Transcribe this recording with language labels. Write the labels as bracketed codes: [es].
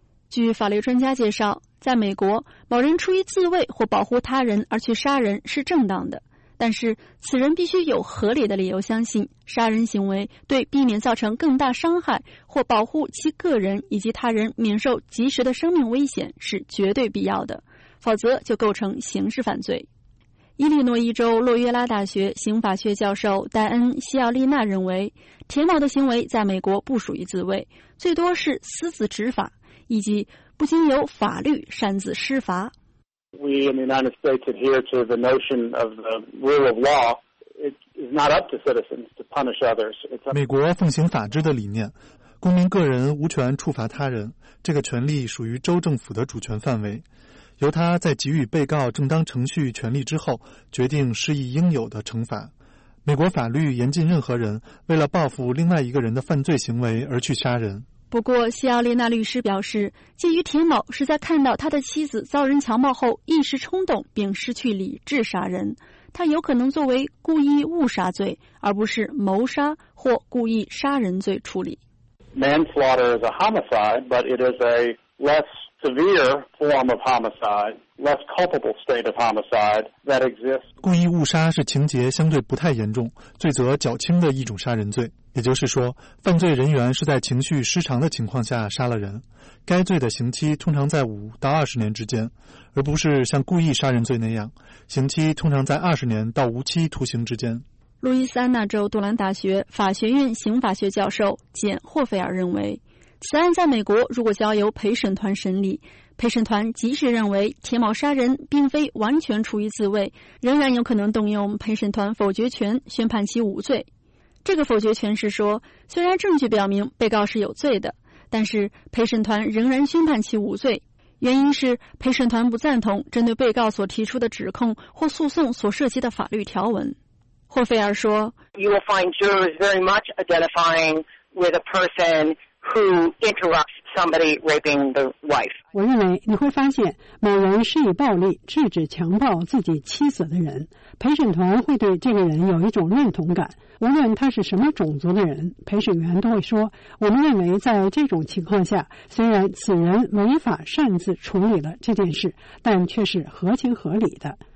[zh] 据法律专家介绍，在美国，某人出于自卫或保护他人而去杀人是正当的，但是此人必须有合理的理由相信杀人行为对避免造成更大伤害或保护其个人以及他人免受及时的生命危险是绝对必要的，否则就构成刑事犯罪。伊利诺伊州洛约拉大学刑法学教授戴恩·西奥利娜认为，田某的行为在美国不属于自卫，最多是私自执法以及不经由法律擅自施罚。 [en] We in the United States adhere to the notion of the rule of law. It is not up to citizens to punish others. [zh] 美国奉行法治的理念，公民个人无权处罚他人，这个权利属于州政府的主权范围，由他在给予被告正当程序权利之后决定施以应有的惩罚。美国法律严禁任何人为了报复另外一个人的犯罪行为而去杀人。不过西奥利娜律师表示，基于田某是在看到他的妻子遭人强暴后一时冲动并失去理智杀人，他有可能作为故意误杀罪而不是谋杀或故意杀人罪处理。 [en] Manslaughter is a homicide, but it is a less severe form of homicide, less culpable state of homicide that exists. [zh] 故意误杀是情节相对不太严重，罪责较轻的一种杀人罪，也就是说，犯罪人员是在情绪失常的情况下杀了人，该罪的刑期通常在5到20年之间，而不是像故意杀人罪那样，刑期通常在20年到无期徒刑之间。路易斯安那州杜兰大学法学院刑法学教授简·霍菲尔认为，此案在美国如果交由陪审团审理，陪审团即使认为田某杀人并非完全出于自卫，仍然有可能动用陪审团否决权宣判其无罪。这个否决权是说，虽然证据表明被告是有罪的，但是陪审团仍然宣判其无罪，原因是陪审团不赞同针对被告所提出的指控或诉讼所涉及的法律条文。霍菲尔说， [en] You will find jurors very much identifying with a person who interrupts somebody raping the wife. [zh] 我认为你会发现某人施以暴力制止强暴自己妻子的人，陪审团会对这个人有一种认同感，无论他是什么种族的人，陪审员都会说，我们认为在这种情况下，虽然此人违法擅自处理了这件事，但却是合情合理的。